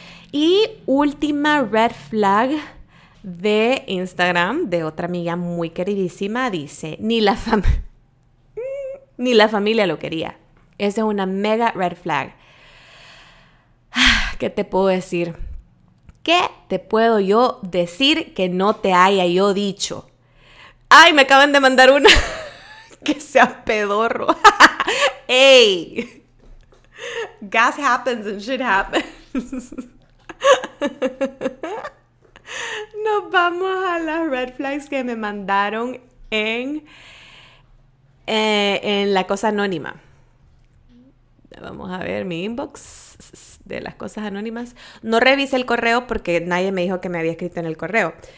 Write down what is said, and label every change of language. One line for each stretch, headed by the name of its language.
Spanish: Y última red flag de Instagram, de otra amiga muy queridísima, dice, ni la familia lo quería. Esa es una mega red flag. ¿Qué te puedo decir? ¿Qué te puedo yo decir que no te haya yo dicho? ¡Ay, me acaban de mandar una! ¡Que sea pedorro! ¡Ey!
English: Gas happens and shit happens.
Spanish: Nos vamos a las red flags que me mandaron en la cosa anónima. Vamos a ver mi inbox de las cosas anónimas. No revisé el correo porque nadie me dijo que me había escrito en el correo.